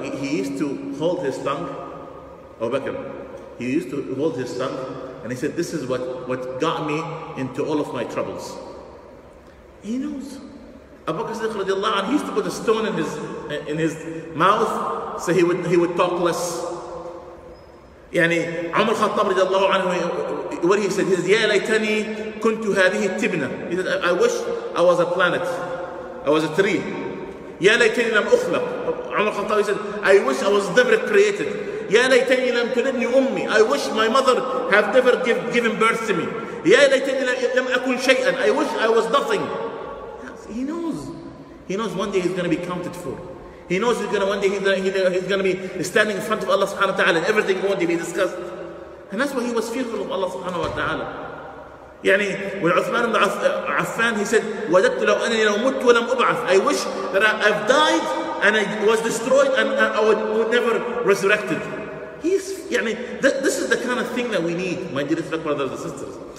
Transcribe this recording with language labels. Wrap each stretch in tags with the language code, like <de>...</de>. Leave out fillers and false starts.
<en>He used to hold his tongue, Abu Bakr. He used to hold his tongue and he said, this is what got me into all of my troubles. He knows. Abu Bakr as-Siddiq radiallahu anhu, he used to put a stone in his mouth so he would talk less.</en> <ar>يعني عمر خطاب رضي الله عنه,</ar> <en>what he said is,</en> <ar>يا ليتني كنت هذه التبنة.</ar> <en>He said, I wish I was a planet, I was a tree.</en> <ar>يا ليتني لم أخلق.</ar> <en>عمر خطاب said, I wish I was never created.</en> <ar>يا ليتني لم تلدني أمي.</ar> <en>I wish my mother have never given birth to me.</en> <ar>يا ليتني لم أكون شيئا.</ar> <en>I wish I was nothing. He knows. He knows one day he's going to be counted for. He knows he's gonna be standing in front of Allah subhanahu wa ta'ala and everything won't be discussed. And that's why he was fearful of Allah subhanahu wa ta'ala.</en> <ar>يعني,</ar> <en>when Uthman ibn Affan, he said,</en> <ar>وَجَدْتُ لَوْ أَنِي لَوْ مُتْتُ وَلَمْ أُبْعَثُ.</ar> <en>I wish that I've died and I was destroyed and I would never resurrected. This is the kind of thing that we need, my dear respect brothers and sisters.</en>